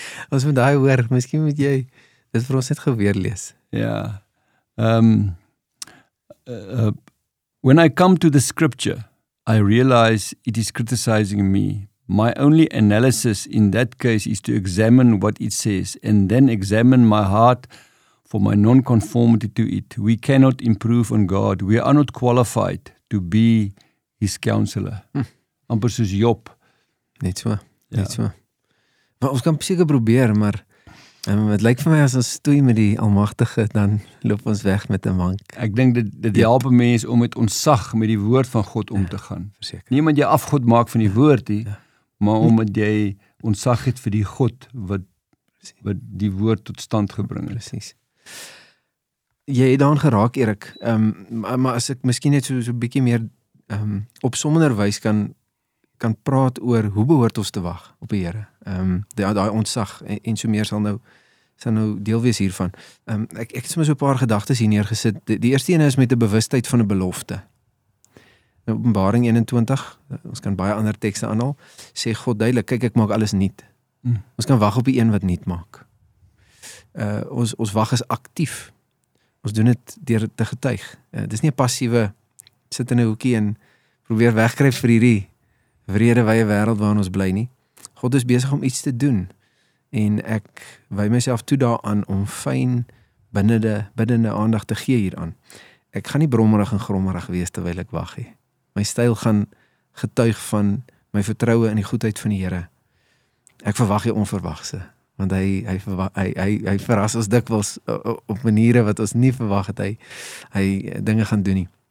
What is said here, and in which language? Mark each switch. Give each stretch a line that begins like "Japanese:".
Afrikaans: Ons moet daai hoor, miskien moet jy dit vir ons net geweer lees. Ja.
English: When I come to the scripture, I realize it is criticizing me. My only analysis in that case is to examine what it says and then examine my heart for my non-conformity to it. We cannot improve on God. We are not qualified to be his counselor.
Afrikaans: Amper soos Job. Net so, net so. Maar ons kan seker probeer, maar het lyk vir my as ons stoei met die almagtige, dan loop ons weg met een mank. Ek denk dit help een mens om met ontzag met die woord van God om te gaan. Verseker. Nie omdat jy afgod maak van die woord, maar omdat jy ontzag het vir die God wat die woord tot stand gebring het. Precies. Jy het daan geraak, Erik, maar as ek miskien net so bietjie meer op sommender wys kan praat oor hoe behoort ons te wag op die Here. Daai ontzag en so meer sal nou deel wees hiervan. Ek het so 'n paar gedagtes hier neergesit. Die eerste een is met 'n bewustheid van 'n belofte. In Openbaring 21, ons kan baie ander tekste aanhaal, sê God duidelik, kyk, ek maak alles nuut. Ons kan wag op die een wat nuut maak. Ons wag is aktief. Ons doen dit deur te getuig. Dis nie 'n passiewe sit in 'n hoekie en probeer wegkruip vir hierdie wrede wye wêreld waarin ons bly nie. God is besig om iets te doen en ek wy myself toe daaraan om fyn binnende aandag te gee hieraan. Ek gaan nie brommerig en grommerig wees terwyl ek wag nie. My styl gaan getuig van my vertroue in die goedheid van die Here. Ek verwag die onverwagse, want hy verras ons dikwels op maniere wat ons nie verwag het hy dinge gaan doen nie.